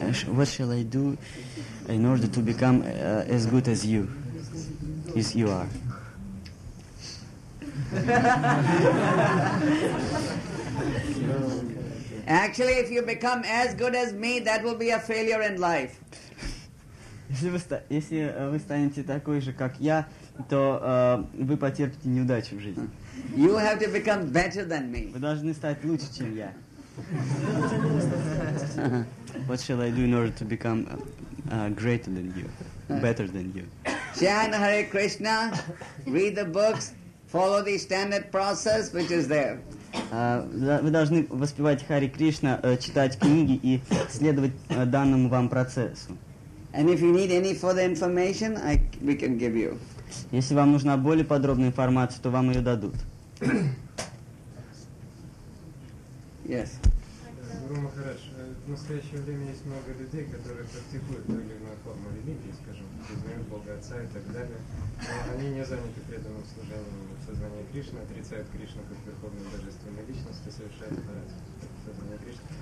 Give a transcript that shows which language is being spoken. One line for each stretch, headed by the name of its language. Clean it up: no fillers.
English: What shall I do in order to become as good as you? As you are. Actually, if you become as good as me, that will be a failure in life.
Russian: Если вы станете такой же, как я, то вы потерпите неудачу в жизни.
English: You have to become better than me.
Russian: Вы должны стать лучше, чем я.
English: What shall I do in order to become greater than you, better than you? Chant Hare Krishna, read the books, follow the standard process which is there.
Russian: Вы должны воспевать Хари Кришна, читать книги и следовать данному вам процессу.
English: And if you need any further information, we can give you.
Russian: Если вам нужна более подробная информация, то вам ее дадут.
English: Yes.
Russian: Гуру Махарадж, в настоящее время есть много людей, которые практикуют ту или иную форму религии, скажем, признают Бога Отца и так далее, но они не заняты преданным служением сознания Кришны, отрицают Кришну как Верховную Божественную Личность и совершают парад сознания Кришны.